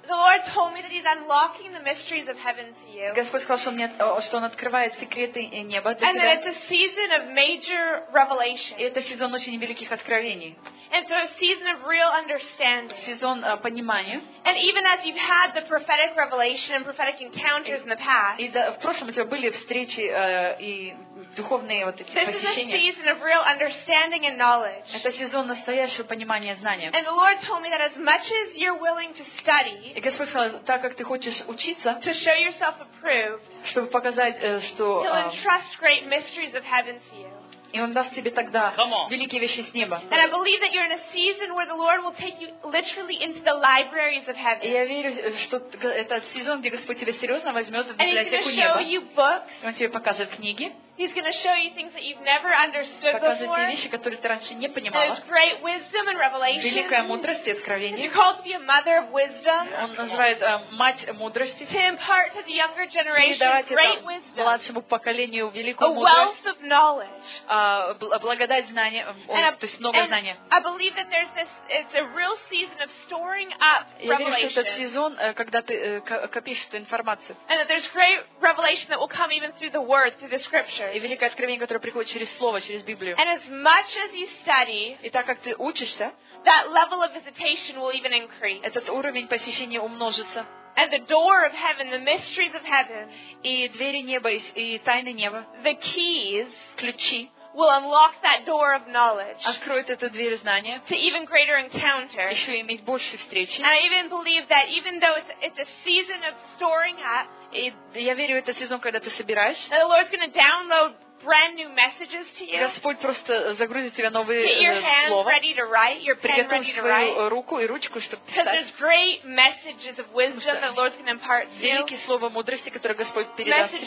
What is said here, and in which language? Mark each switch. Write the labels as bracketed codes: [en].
[en] The Lord told me that He's unlocking the mysteries of heaven to you. [ru] Господь сказал, что мне, что Он открывает секреты неба для тебя. [en] And that it's a season of major revelation. [ru] Это сезон очень великих откровений. [en] And so a season of real understanding. [ru] Сезон понимания. [en] And even as you've had the prophetic revelation and prophetic encounters in the past. [ru] И в прошлом у тебя были встречи и духовные вот эти посещения. [en] This is a season of real understanding and knowledge. [ru] Это сезон настоящего понимания знания. [en] And the Lord told me that as much as you're willing to study. [ru] И Господь сказал, так как ты хочешь учиться. [en] To show yourself approved. [ru] Чтобы показать, что. [en] He'll entrust great mysteries of heaven to you. [ru] И Он даст тебе тогда великие вещи с неба. [en] And I believe that you're in a season where the Lord will take you literally into the libraries of heaven. [ru] И я верю, что это сезон, где Господь тебя серьезно возьмет в библиотеку неба. [en] Show you books. [ru] И Он тебе покажет книги. [en] He's going to show you things that you've never understood [ru] Покажет [en] before. [ru] Тебе вещи, которые ты раньше не понимала. [en] There's great wisdom and revelation. [ru] Великая мудрость и откровение. [en] You're called to be a mother of wisdom. [ru] Он называет мать мудрости. [en] To impart to the younger generation great wisdom. [ru] Передавать младшему поколению великую a мудрость. [en] A wealth of knowledge. [ru] Благодать знания, то есть много знания. [en] I believe that there's this. It's a real season of storing up [ru] Я [en] revelation. [ru] Верю, что этот сезон, когда ты копишь эту информацию. [en] And that there's great revelation that will come even through the word, through the scripture. [ru] И великое откровение, которое приходит через слово, через Библию. [en] And as much as you study, [ru] и так как ты учишься, [en] that level of visitation will even increase. [ru] Этот уровень посещения умножится. [en] And the door of heaven, the mysteries of heaven, [ru] и двери неба, и тайны неба, [en] the keys, [ru] ключи, [en] will unlock that door of knowledge. [ru] Откроет эту дверь знания. [en] To even greater encounter. [ru] Еще иметь больше встречи. [en] And I even believe that even though it's a season of storing up. [ru] И я верю, это сезон, когда ты собираешь. [en] The Lord's going to download brand new messages to you. [ru] Господь просто загрузит тебе новые слова. [en] Get your hands ready to write. [ru] Приготовь свою руку и ручку, чтобы писать. [en] Because there's great messages of wisdom that the Lord's going to impart to you. [ru] Великие слова мудрости, которые Господь передаст тебе.